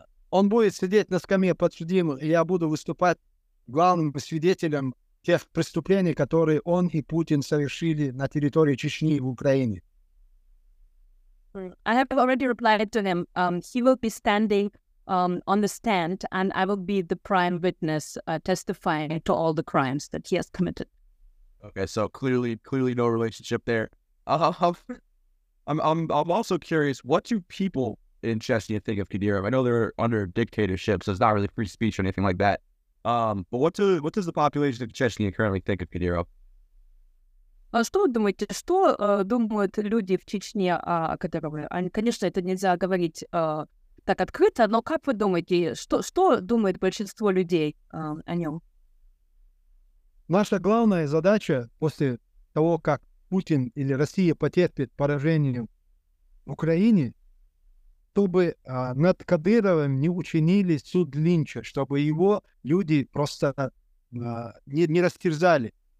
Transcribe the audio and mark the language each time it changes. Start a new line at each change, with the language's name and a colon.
Russian: Он будет сидеть на скамье подсудимых, и я буду выступать главным свидетелем тех преступлений, которые он и Путин совершили на территории Чечни в Украине.
English: I have already replied to him. He will be standing on the stand, and I will be the prime witness testifying to all the crimes that he has committed. Okay, so clearly no relationship there. I'm also curious, what do people in Chechnya think of Kadyrov? I know they're under dictatorships, so it's not really free speech or anything like that. But what does the population of Chechnya currently think of Kadyrov?
Russian: Что вы думаете, что думают люди в Чечне о Кадырове? Конечно, это нельзя говорить так открыто, но как вы думаете, что думает большинство людей о нем? Наша главная задача после того, как Путин или Россия потерпит поражение в Украине, чтобы над Кадыровым не учинили суд Линча, чтобы его люди просто не растерзали.